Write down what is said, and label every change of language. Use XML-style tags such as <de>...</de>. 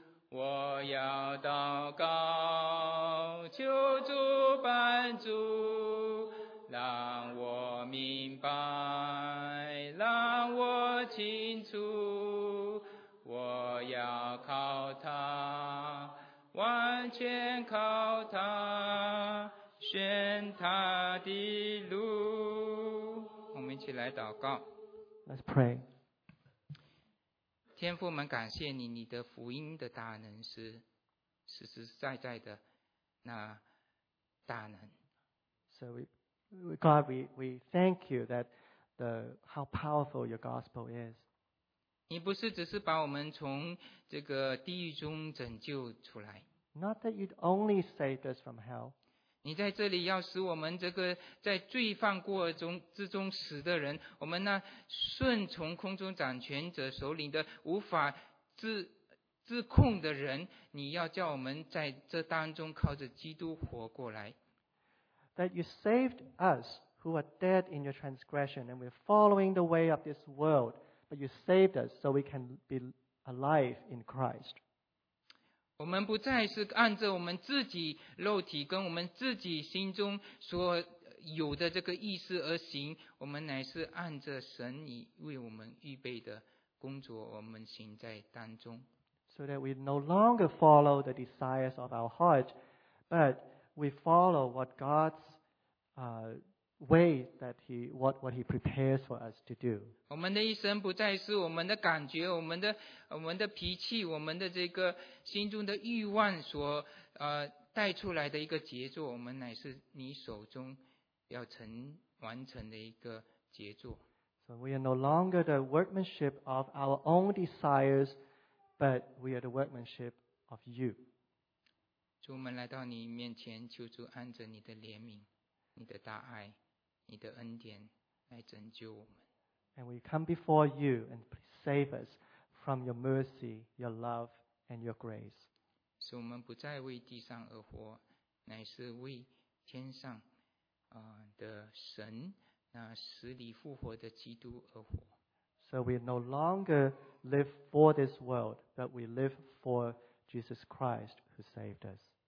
<zh>我要祷告求主帮助，让我明白，让我清楚，我要靠他，完全靠他，选他的路。我们一起来祷告。</zh> <en>Let's pray.</en> <zh>天父们，感谢你，你的福音的大能是实实在在的那大能。</zh> <en>So God, we thank you that the how powerful your gospel is.</en> <zh>你不是只是把我们从这个地狱中拯救出来。</zh> <en>Not that you'd only save us from hell.</en> <zh>你在这里要使我们这个在罪犯过中之中死的人，我们那顺从空中掌权者首领的无法自控的人，你要叫我们在这当中靠着基督活过来。</zh> <en>That you saved us who are dead in your transgression and we're following the way of this world, but you saved us so we can be alive in Christ.</en> <zh>我们不再是按照我们自己肉体跟我们自己心中所有的这个意思而行，我们乃是按着神已为我们预备的工作，我们行在当中。</zh> <en>So that we no longer follow the desires of our heart, but we follow what God's way that He what He prepares for us to do.</en> <zh>我们的一生不再是我们的感觉、我们的脾气、我们的这个心中的欲望所带出来的一个杰作，我们乃是你手中要成完成的一个杰作。</zh> <en>So we are no longer the workmanship of our own desires, but we are the workmanship of You.</en> <zh>主，我们来到你面前，求主按着你的怜悯、你的大爱、你的恩典来拯救我们。</zh> <en>And we come before You and save us from Your mercy, Your love, and Your grace.</en> <zh>使我们不再为地上而活，乃是为天上的神，那死里复活的基督而活。</zh> <en>So we no longer live for this world, but we live for Jesus Christ who saved us.</en>